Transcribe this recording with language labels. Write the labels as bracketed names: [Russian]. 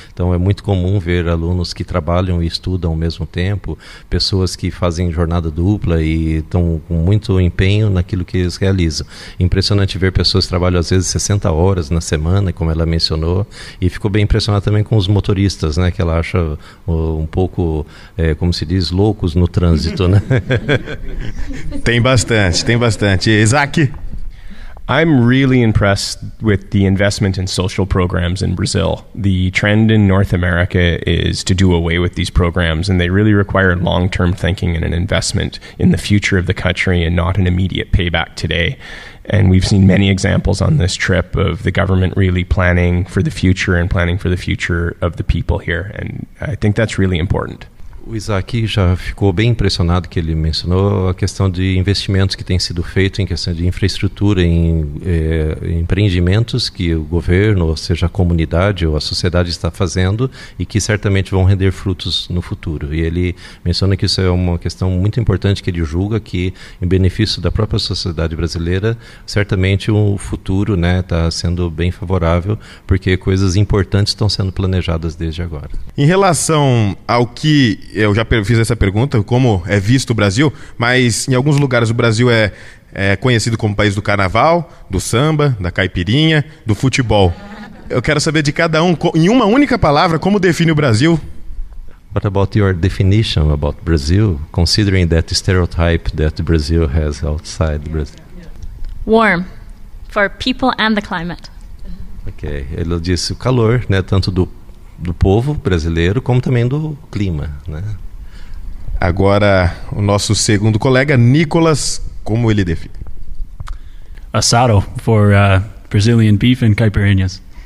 [Portuguese] Então é muito comum ver alunos que trabalham e estudam ao mesmo tempo, pessoas que fazem jornada dupla e estão com muito empenho naquilo que eles realizam. Impressionante ver pessoas que trabalham às vezes 60 horas na semana, como ela mencionou, e ficou bem impressionada também com os motoristas, né? Que ela acha um pouco, como se diz, loucos no trânsito, né? Tem bastante. Isaac? [English] I'm really impressed with the investment in social programs in Brazil. The trend in North America is to do away with these programs, and they really require long-term thinking and an investment in the future of the country and not an immediate payback today. And we've seen many examples on this trip of the government really planning for the future and planning for the future of the people here. And I think that's really important. [Portuguese] O Isaac já ficou bem impressionado que ele mencionou a questão de investimentos que têm sido feitos em questão de infraestrutura, em empreendimentos que o governo, ou seja, a comunidade ou a sociedade está fazendo e que certamente vão render frutos no futuro. E ele menciona que isso é uma questão muito importante que ele julga que, em benefício da própria sociedade brasileira, certamente o futuro, né, está sendo bem favorável, porque coisas importantes estão sendo planejadas desde agora. Em relação ao que eu já fiz essa pergunta, como é visto o Brasil, mas em alguns lugares o Brasil é conhecido como país do carnaval, do samba, da caipirinha, do futebol. Eu quero saber de cada um, em uma única palavra, como define o Brasil? [English] What about your definition about Brazil, considering that stereotype that Brazil has outside Brazil? Warm, for people and the climate. [Portuguese] Ok, ele disse o calor, né, tanto do povo brasileiro, como também do clima, né? Agora, o nosso segundo colega, Nicolas, como ele define? [English] Assado, for Brazilian beef and caipirinhas.